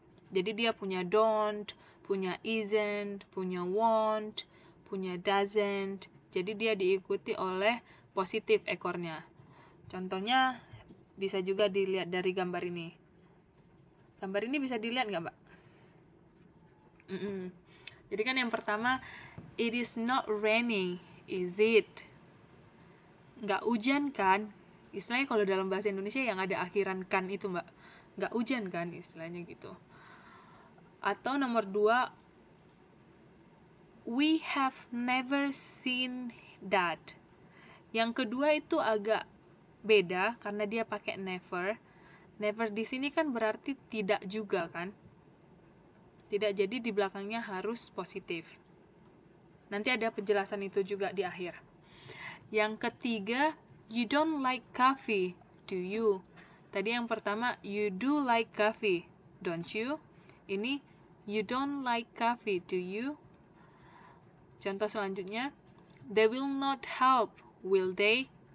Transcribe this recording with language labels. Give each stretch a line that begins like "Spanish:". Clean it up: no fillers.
Indonesian: Jadi, dia punya don't, punya isn't, punya won't, punya doesn't. Jadi, dia diikuti oleh positif ekornya. Contohnya bisa juga dilihat dari gambar ini. Gambar ini bisa dilihat nggak, Mbak? Jadi kan yang pertama,
English: it is not raining, is it?
Indonesian: Nggak hujan kan? Istilahnya kalau dalam bahasa Indonesia yang ada akhiran kan itu, Mbak. Nggak hujan kan istilahnya gitu. Atau nomor dua,
English: we have never seen that.
Indonesian: Yang kedua itu agak beda karena dia pakai never. Never di sini kan berarti tidak juga kan? Tidak, jadi di belakangnya harus positif. Nanti ada penjelasan itu juga di akhir. Yang ketiga,
English: you don't like coffee, do you?
Indonesian: Tadi yang pertama,
English: you do like coffee, don't you? Ini, you don't like coffee, do you?
Indonesian: Contoh selanjutnya,
English: they will not help, will they?